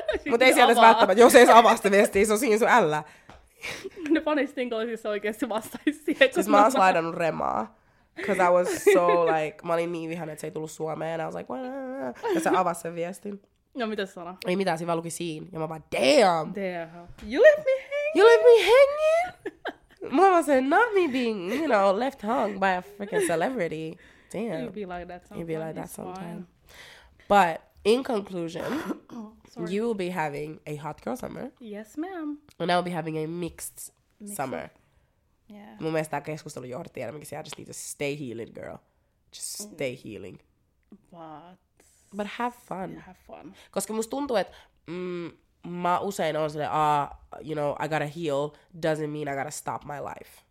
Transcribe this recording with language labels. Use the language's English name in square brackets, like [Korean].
[Finnish] Mut ei sieltä välttämättä, jos ei se avaa sitä viestiä, se on siinä sun ällä. Ne panistinkolisissa oikeesti vastaisi siihen. Siis mä oon slaidannut remaa. [English] Because I was so like, [Finnish] mä olin niin vihainen, että se ei tullut Suomeen. [English] I was like, wah, wah, wah. [Finnish] Ja se avasi sen viestin. No mitä se sanoi? Ei mitään, se vaan luki siinä. Ja mä vaan, [English] damn! Damn. You left me hanging! You left me hanging! [Finnish] Mä vaan sanoin, [English] not me being, you know, left hung by a freaking celebrity. Damn. You'd be like that sometimes. You'd be like that sometimes. But in conclusion, you will be having a hot girl summer. Yes, ma'am. And I will be having a mixed summer. Yeah. [Finnish] Mun mielestä tämä keskustelu johdattiin enemmänkin, [English] I just need to stay healing, girl. Just stay healing. But But have fun. Yeah, have fun. [Finnish] Koska musta tuntuu, että mä usein on silleen, [English] ah, you know, I gotta heal, doesn't mean I gotta stop my life.